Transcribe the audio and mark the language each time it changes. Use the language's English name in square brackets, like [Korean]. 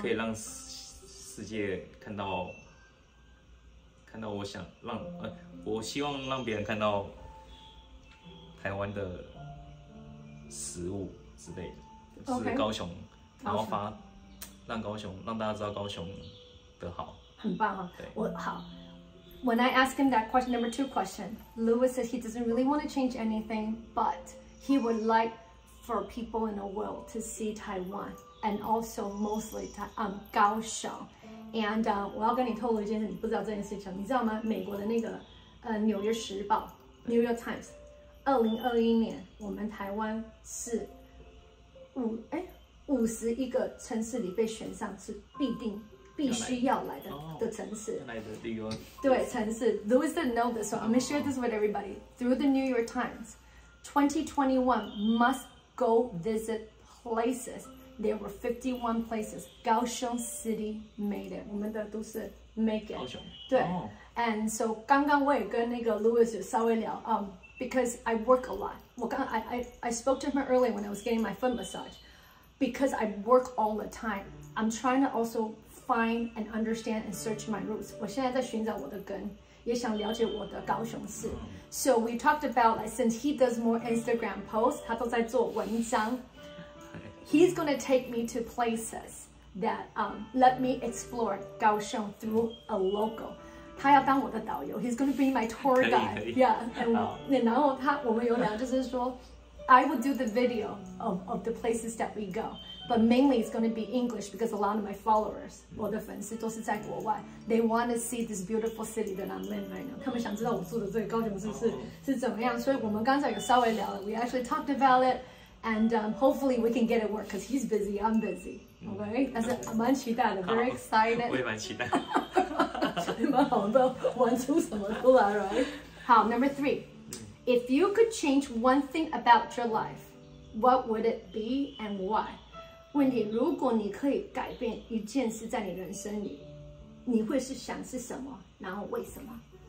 [Chinese] 可以让世界看到我想让我希望让别人看到台湾的食物之类的， [English] okay. [Chinese] 是高雄，然后发让高雄让大家知道高雄的好，很棒啊，对我好。 [English] When I ask him that question, number two question, Lewis says he doesn't really want to change anything, but he would like for people in the world to see Taiwan and also mostly Kaohsiung. [Chinese] And 我要跟你透露一件事，你不知道这件事情，你知道吗？美国的那个纽约时报 New York Times， 2021年我们台湾是51个城市里被选上是必须要来的城市。来的旅游。对，城市。 [English] Lewis didn't know this, so I'm gonna share this with everybody. Through the New York Times, 2021 must go visit places. There were 51 places. Kaohsiung City made it. [Chinese] 我们的都是 [English] make it. [Chinese] 高雄。对。And so, 刚刚我也跟那个 Lewis 稍微聊 [English] because I work a lot. I spoke to him earlier when I was getting my foot massage. Because I work all the time, I'm trying to also... find and understand and search my roots. [Chinese] 我现在在寻找我的根，也想了解我的高雄市。 [English] So we talked about like since he does more Instagram posts, [Chinese] 他都在做文章。 [English] He's gonna take me to places that let me explore 高雄 through a local. [Chinese] 他要当我的导游 [English] ，He's gonna be my tour guide. Yeah, and [Chinese] 然后他我们有聊，就是说， [English] I will do the video of the places that we go, but mainly it's gonna be English because a lot of my followers, [Chinese] 我的粉丝都是在国外 [English] ，They wanna see this beautiful city that I'm living right now. [Chinese] 他们想知道我住的这个高雄是怎么样。所以我们刚才有稍微聊了 [English] ，We actually talked about it, and hopefully we can get it work because he's busy, I'm busy. [Chinese] Okay, 但是蛮期待的 ， [English] very excited. [Chinese] 我也蛮期待。 [English] How, number three, if you could change one thing about your life, what would it be and why? [Chinese] 问题，如果你可以改变一件事在你人生里，你会是想是什么，然后为什么？